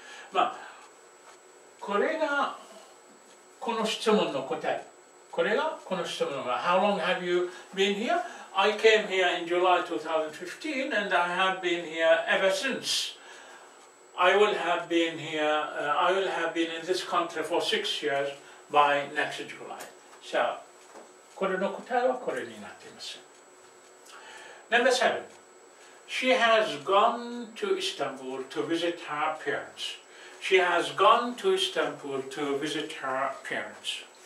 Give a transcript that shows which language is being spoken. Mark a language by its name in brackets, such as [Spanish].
[Japanese] まあ、これがこの質問の答え。これがこの質問が [English] How long have you been here? I came here in July 2015 and I have been here ever since. I will have been here, I will have been in this country for 6 years by next July. So, [Japanese] これの答えはこれになっています。 [English] Number seven. She has gone to Istanbul to visit her parents. She has gone to Istanbul to visit her parents.